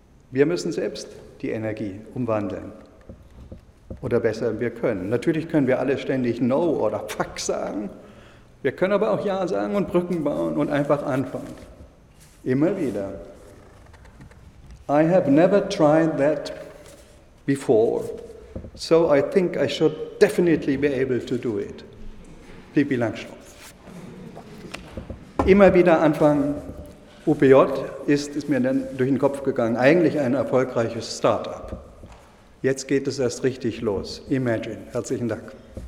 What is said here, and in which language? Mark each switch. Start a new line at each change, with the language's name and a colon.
German: Wir müssen selbst die Energie umwandeln. Oder besser, wir können. Natürlich können wir alle ständig No oder Fuck sagen. Wir können aber auch Ja sagen und Brücken bauen und einfach anfangen. Immer wieder.
English: I have never tried that before. So I think I should definitely be able to do it.
German: Pippi Langstrumpf. Immer wieder anfangen. OPJ ist mir dann durch den Kopf gegangen, eigentlich ein erfolgreiches Start-up. Jetzt geht es erst richtig los. Imagine. Herzlichen Dank.